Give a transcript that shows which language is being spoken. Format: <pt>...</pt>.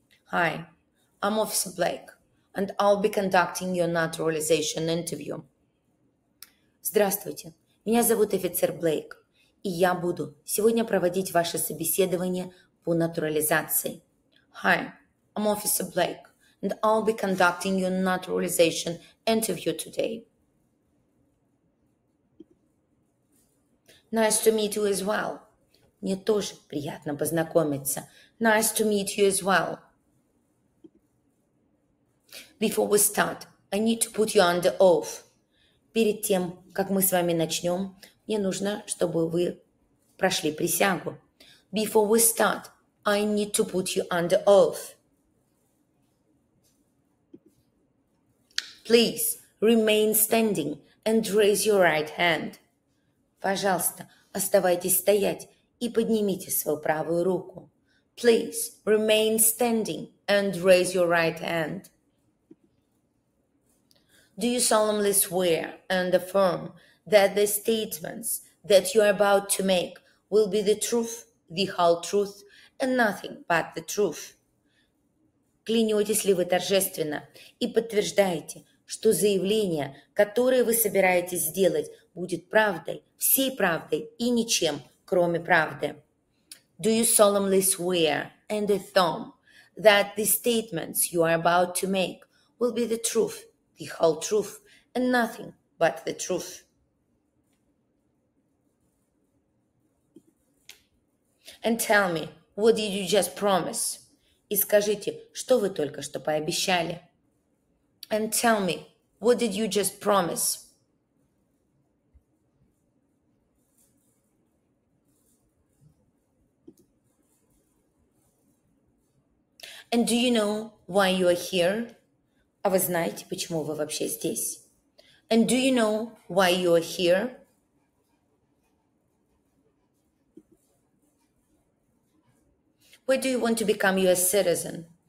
<en>Hi, I'm Officer Blake, and I'll be conducting your naturalization interview.</en> <ru>Здравствуйте, меня зовут офицер Блейк, и я буду сегодня проводить ваше собеседование по натурализации.</ru> <en>Hi, I'm Officer Blake, and I'll be conducting your naturalization interview today. Nice to meet you as well.</en> <ru>Мне тоже приятно познакомиться.</ru> <en>Nice to meet you as well. Before we start, I need to put you under oath.</en> <ru>Перед тем, как мы с вами начнем, мне нужно, чтобы вы прошли присягу.</ru> <en>Before we start, I need to put you under oath. Please remain standing and raise your right hand.</en> <ru>Пожалуйста, оставайтесь стоять и поднимите свою правую руку.</ru> <en>Please remain standing and raise your right hand. Do you solemnly swear and affirm that the statements that you are about to make will be the truth, the whole truth, and nothing but the truth?</en> <ru>Клянетесь ли вы торжественно и подтверждаете, что заявление, которое вы собираетесь сделать, будет правдой, всей правдой и ничем, кроме правды?</ru> <en>Do you solemnly swear and affirm that the statements you are about to make will be the truth, the whole truth, and nothing but the truth. And tell me, what did you just promise?</en> <ru>И скажите, что вы только что пообещали?</ru> <en>And tell me, what did you just promise? And do you know why you are here?</en> <ru>А вы знаете, почему вы вообще здесь?</ru> <en>And do you know why you are here? Where do you want to become US citizen?</en>